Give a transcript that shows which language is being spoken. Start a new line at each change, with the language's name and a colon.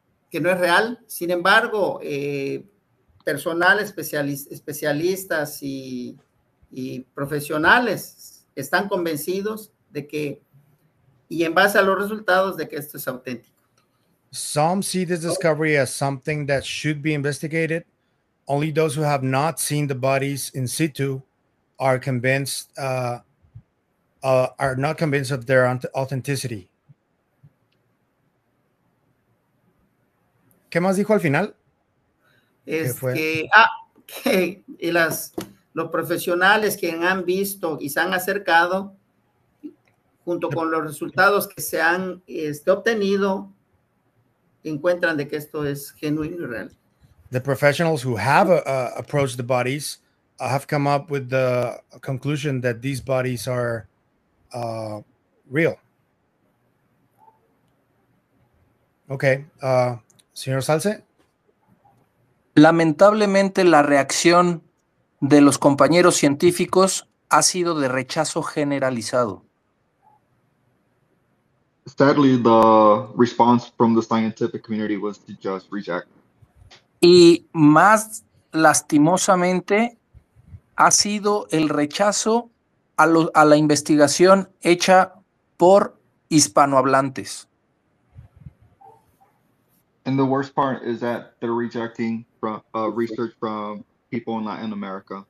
Spanish: que no es real. Sin embargo, personal, especialistas y profesionales están convencidos de que, y en base a los resultados, de que esto es auténtico.
English: Some see this discovery as something that should be investigated. Only those who have not seen the bodies in situ are convinced, are not convinced of their authenticity.
Spanish: ¿Qué más dijo al final? Los profesionales que han visto y se han acercado, junto con los resultados que se han obtenido, encuentran de que esto es genuino y real.
English: The professionals who have approached the bodies have come up with the conclusion that these bodies are real.
Spanish: Okay, señor Salce. Lamentablemente, la reacción de los compañeros científicos ha sido de rechazo generalizado.
English: Sadly, the response from the scientific community was to just reject.
Spanish: Y más lastimosamente, ha sido el rechazo a la investigación hecha por hispanohablantes.
English: And the worst part is that they're rejecting research from people in Latin America.